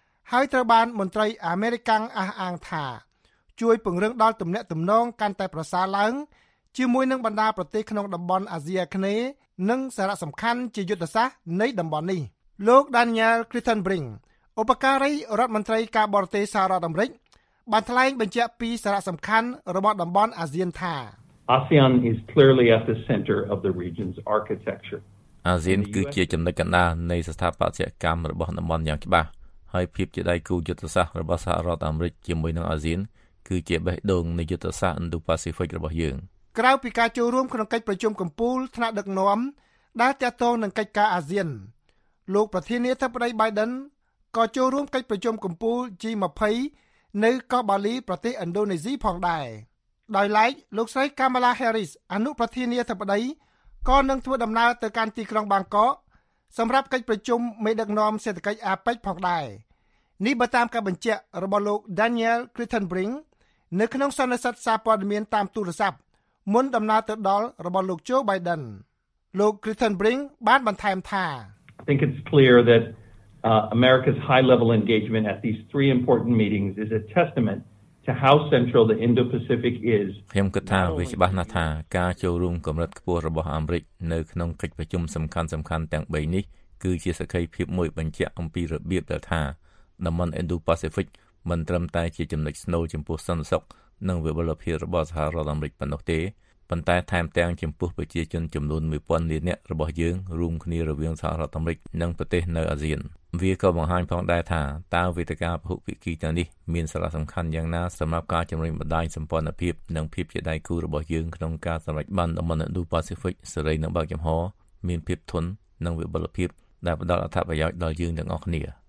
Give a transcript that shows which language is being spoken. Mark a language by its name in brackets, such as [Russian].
[Khmer] ហើយត្រូវបានមន្ត្រីអាមេរិកអះអាងថាជួយពង្រឹងដល់ទំនាក់ទំនងកាន់តែប្រសើរឡើងជាមួយនឹងបណ្ដាប្រទេសក្នុងតំបន់អាស៊ីអាគ្នេយ៍និងសារៈសំខាន់ជាយុទ្ធសាស្ត្រនៃតំបន់នេះលោក Daniel Crittenbrink ឧបការីរដ្ឋមន្ត្រីការបរទេសសហរដ្ឋអាមេរិកបានថ្លែងបញ្ជាក់ពីសារៈសំខាន់របស់តំបន់អាស៊ានថា [English] ASEAN is clearly at the center of the region's architecture. [Khmer] អាស៊ានគឺជាចំណុចកណ្ដាលនៃស្ថាបត្យកម្មរបស់តំបន់យ៉ាងច្បាស់ហើយភាពជាដៃគូយុទ្ធសាស្ត្ររបស់សហរដ្ឋអាមេរិកជាមួយនឹងអាស៊ានគឺជាបេះដូងនៃយុទ្ធសាស្ត្រ Indo-Pacific របស់យើង ។ក្រៅពីការចូលរួមក្នុងកិច្ចប្រជុំកំពូលថ្នាក់ដឹកនាំដែលទាក់ទងនឹងកិច្ចការអាស៊ានលោកប្រធានាធិបតី Biden ក៏ចូលរួមកិច្ចប្រជុំកំពូល G20 នៅកោះបាលីប្រទេសឥណ្ឌូនេស៊ីផងដែរដោយឡែកលោកស្រីកាមាឡាហេរីសអនុប្រធានាធិបតីក៏នឹងធ្វើដំណើរទៅកាន់ទីក្រុងបាងកកសម្រាប់កិច្ចប្រជុំមេដឹកនាំសេដ្ឋកិច្ចអាប៉ិចផងដែរនេះបើតាមការបញ្ជាក់របស់លោក Daniel Crittenbrink នៅក្នុងសន្និសីទសារព័ត៌មានតាមទូរស័ព្ទមុនដំណើរទៅដល់របស់លោក Joe Biden លោក Crittenbrink បានបន្ថែមថា [English] I think it's clear thatAmerica's high level engagement at these three important meetings is a testament to how central the Indo-Pacific is. [Khmer] ខ្ញុំគិតថាវាច្បាស់ណាស់ថាការចូលរួមកម្រិតខ្ពស់របស់អាមេរិកនៅក្នុងកិច្ចប្រជុំសំខាន់ៗទាំង3នេះគឺជាសក្ខីភាពមួយបញ្ជាក់អំពីរបៀបដែលថា តំបន់ Indo-Pacific មិនត្រឹមតែជាចំណុចស្នូលចំពោះសន្តិសុខនិងវិបុលភាពរបស់សហរដ្ឋអាមេរិកប៉ុណ្ណោះទេប៉ុន្តែថែមទាំងចំពោះប្រជាជនចំនួន 1,000 លាននាក់របស់យើងរួមគ្នារវាងសហរដ្ឋអាមេរិកនិងប្រទេសនៅអាស៊ានវាក៏បង្ហាញផងដែរថាតើវេទិកាពហុភាគីទាំងនេះមានសារៈសំខាន់យ៉ាងណាសម្រាប់ការជំរុញបណ្ដាញសម្ព័ន្ធភាពនិងភាពជាដៃគូរបស់យើងក្នុងការសម្រេចបានតំបន់ Indo-Pacific សេរីនិងបើកចំហមានភាពធន់និងវិបុលភាពដែលផ្ដល់អត្ថប្រយោជន៍ដល់យើងទាំងអស់គ្នា